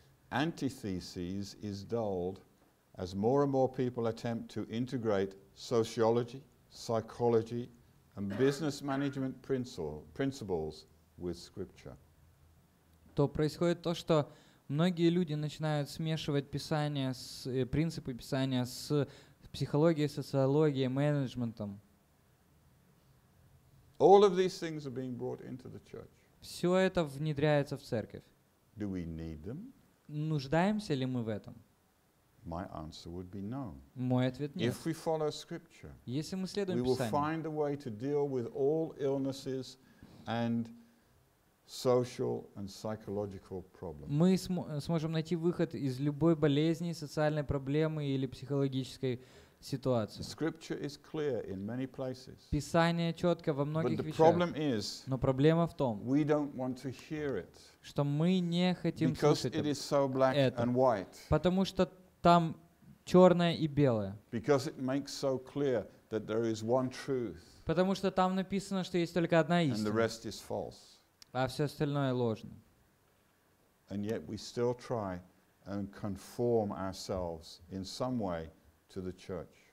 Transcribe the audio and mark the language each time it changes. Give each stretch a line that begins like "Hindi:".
English: antithesis is dulled as more and more people attempt to integrate sociology, psychology, and business management principles with scripture.
Russian: То происходит то, что многие люди начинают смешивать писание с принципы писания с психологией, социологией, менеджментом.
English: All of these things are being brought into the church.
Russian: Все это внедряется в церковь.
English: Do we need them?
Russian: Нуждаемся ли мы в этом?
English: My answer would be no.
Russian: Мой ответ нет.
English: If we follow Scripture,
Russian: если мы следуем
English: we will find a way to deal with all illnesses and social and psychological problems.
Russian: Мы сможем найти выход из любой болезни, социальной проблемы или психологической ситуации.
English: Scripture is clear in many places.
Russian: Писание четко во многих вещах.
English: But the problem is,
Russian: но проблема в том,
English: we don't want to hear it,
Russian: что мы не хотим слышать
English: it is so black
Russian: это,
English: and white.
Russian: Потому что там черное и белое.
English: Because it makes so clear that there is one truth.
Russian: Потому что там написано, что есть только одна истина.
English: And the rest is false.
Russian: А все остальное ложно.
English: And yet we still try and conform ourselves in some way to the church.